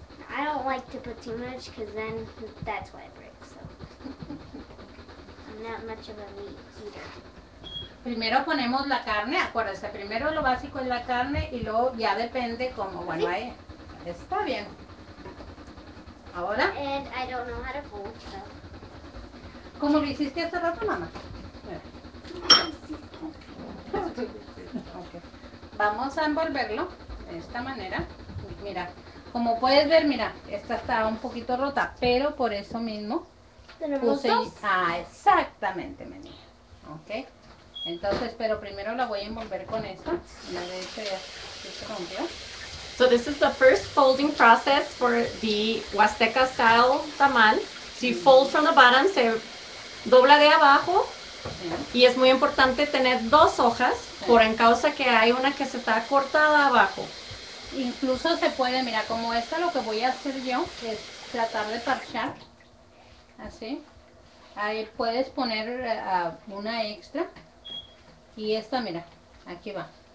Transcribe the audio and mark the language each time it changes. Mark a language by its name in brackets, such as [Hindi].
[English] I don't like to put too much because then that's why it breaks. So I'm not much of a meat eater. [Spanish] Primero ponemos la carne. Acuérdese, primero lo básico es la carne y luego ya depende como bueno ahí. Está bien. Ahora. [English] And I don't know how to fold. So. [Spanish] ¿Cómo lo hiciste hace rato, mamá? Vamos a envolverlo de esta manera. Mira, como puedes ver, mira, esta está un poquito rota, pero por eso mismo puse dos. Exactamente, mi niña. Ok, entonces, pero primero la voy a envolver con esta. Ya de hecho ya se rompió. [English] So this is the first folding process for the Huasteca style tamal. So you fold from the bottom, [Spanish] se dobla de abajo. [English] Y es muy importante tener dos hojas, por en causa que hay una que se está cortada abajo. Incluso se puede, mira, como esta lo que voy a hacer yo es tratar de parchar, así. Ahí puedes poner una extra. Y esta, mira, aquí va.